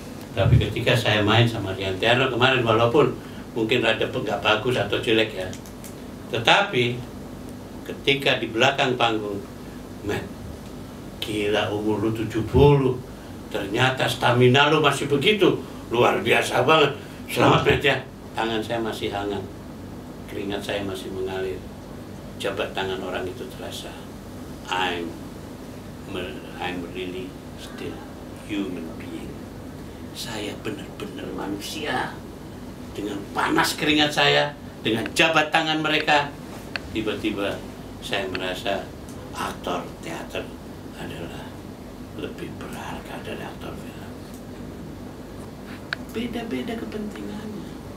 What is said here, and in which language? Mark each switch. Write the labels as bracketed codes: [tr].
[id] Tapi ketika saya main sama Rian Tiano kemarin, walaupun mungkin rada nggak bagus atau jelek ya, tetapi ketika di belakang panggung, Matt, gila umur lu 70, ternyata stamina lu masih begitu, luar biasa banget. Selamat Matt ya, tangan saya masih hangat, keringat saya masih mengalir. Jabat tangan orang itu terasa. [en] I'm really still human being. [id] Saya benar-benar manusia. Dengan panas keringat saya, dengan jabat tangan mereka, tiba-tiba saya merasa aktor teater adalah lebih berharga dari aktor film. Beda-beda kepentingannya.